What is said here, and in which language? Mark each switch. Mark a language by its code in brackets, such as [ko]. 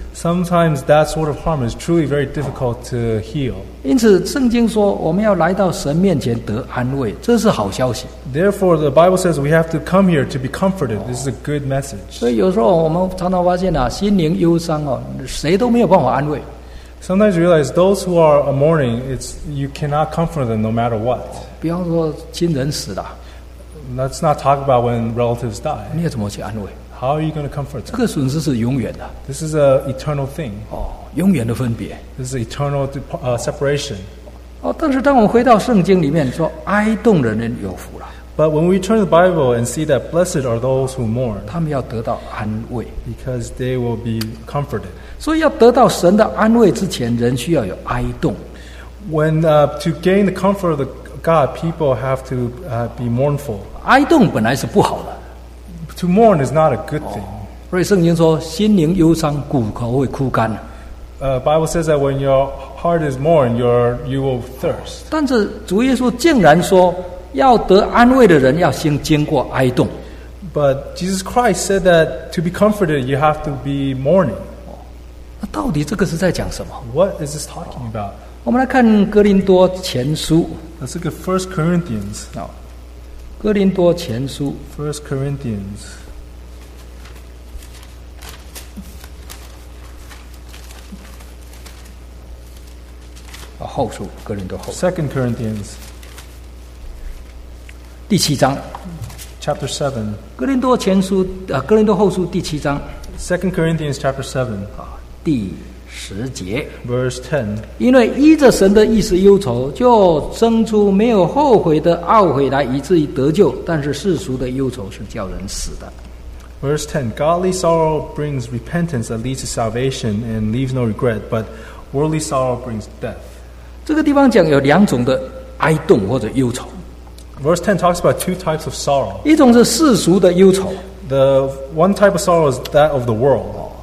[en] Sometimes that sort of harm is truly very difficult to heal. [zh] 因此圣经说我们要来到神面前得安慰，这是好消息。 [en] Therefore, the Bible says we have to come here to be comforted. This is a good message. [zh] 所以有时候我们常常发现啊，心灵忧伤哦，谁都没有办法安慰。 [en] Sometimes you realize those who are mourning, it's you cannot comfort them no matter what. [zh] 比方说亲人死了， [en] let's not talk about when relatives die. [zh] 你要怎么去安慰？ [en] How are you going to comfort them? [zh] 这个损失是永远的。 [en] This is an eternal thing. [zh] 哦, 永远的分别。 [en] This is an eternal separation. [zh] 哦, 但是当我回到圣经里面说, 哀动的人有福了。 [en] But when we turn to the Bible and see that blessed are those who mourn, [zh] 他们要得到安慰。 [en] Because they will be comforted. [zh] 所以要得到神的安慰之前, 人需要有哀动。 [en] When to gain the comfort of the God, people have to be mournful. [zh] 哀动本来是不好的。 [en] To mourn is not a good thing. [zh] 所以圣经说心灵忧伤, [en] Bible says that when your heart is mourned, you will thirst. [zh] 但是主耶稣竟然说, 要得安慰的人要先经过哀动。 [en] But Jesus Christ said that to be comforted, you have to be mourning. [zh] 那到底这个是在讲什么? [en] What is this talking about? [zh] 我们来看哥林多前书。 [en] Let's look at 1 Corinthians. [zh] 哥林多前书 [en] 1 Corinthians [zh] 后书 [en] 2 Corinthians [zh] 第七章 [en] Chapter 7 [zh] 哥林多前书 哥林多后书第七章 [en] 2 Corinthians Chapter 7 [zh] 第十节 [en] Verse 10 [zh] 因为依着神的意思忧愁 就生出没有后悔的懊悔来以至于得救 但是世俗的忧愁是叫人死的 [en] Verse 10 Godly sorrow brings repentance that leads to salvation and leaves no regret but worldly sorrow brings death [zh] 这个地方讲有两种的哀动或者忧愁 [en] Verse 10 talks about two types of sorrow [zh] 一种是世俗的忧愁 [en] The one type of sorrow is that of the world